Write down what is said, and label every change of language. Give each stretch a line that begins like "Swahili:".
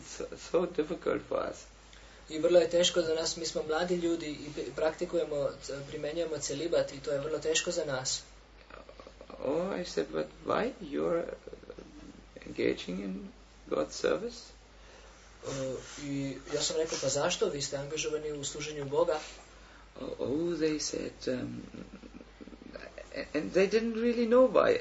English: It's so difficult for us.
Serbian: I vrlo je teško za nas. Mi smo mladi ljudi i praktikujemo, primenjujemo celibat i to je vrlo teško za nas.
English: Oh, I said, but why you're engaging in God's service?
Serbian: I ja sam rekao, pa zašto vi ste angažovani u služenju Boga?
English: Oh, they said, and they didn't really know why.